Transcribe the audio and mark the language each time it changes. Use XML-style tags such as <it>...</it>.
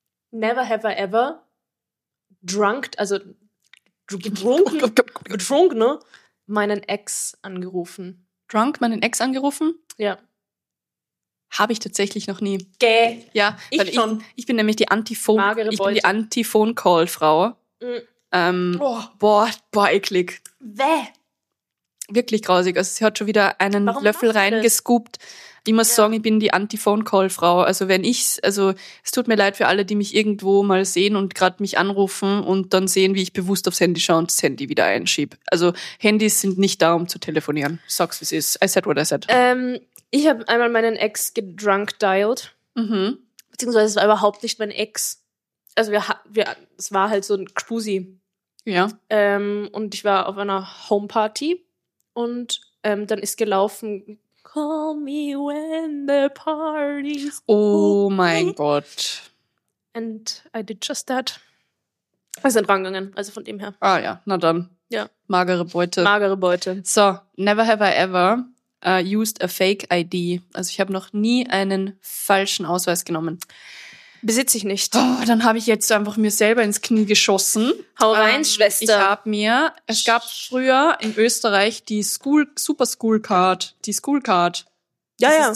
<en>Never have I ever drunk, also drunk, ne?</en> <de>Meinen Ex angerufen. Drunk, meinen Ex angerufen? Ja. Habe ich tatsächlich noch nie. Gäh. Ja, ich schon. Ich bin nämlich die Antiphone, Antiphone-Call-Frau. Mhm. Boah, eklig. Wäh. Wirklich grausig. Also sie hat schon wieder einen Warum Löffel reingescoopt. Ich muss sagen, ich bin die Antiphone-Call-Frau. Also wenn ich, also es tut mir leid für alle, die mich irgendwo mal sehen und gerade mich anrufen und dann sehen, wie ich bewusst aufs Handy schaue und das Handy wieder einschiebe. Also Handys sind nicht da, um zu telefonieren. Sag's, wie es ist.</de> <en>I said what I said.</en> <de>Ich habe einmal meinen Ex gedrunk dialed. Mhm. Beziehungsweise es war überhaupt nicht mein Ex. Also wir es war halt so ein Spusi. Ja. Und ich war auf einer Homeparty und dann ist gelaufen,</de> <en>call me when the party's</en> <de>over. Oh mein Gott.</de> <en>And I did just that.</en> <de>Wir sind rangegangen, also von dem her. Ah ja, na dann. Ja. Magere Beute. Magere Beute.</de> <en>So, never have I ever used a fake ID.</en> <de>Also ich habe noch nie einen falschen Ausweis genommen. Besitze ich nicht. Oh, dann habe ich jetzt einfach mir selber ins Knie geschossen. Hau rein, Schwester. Ich habe mir, es gab früher in Österreich die School, Super School Card, die School Card. Ja, das</de>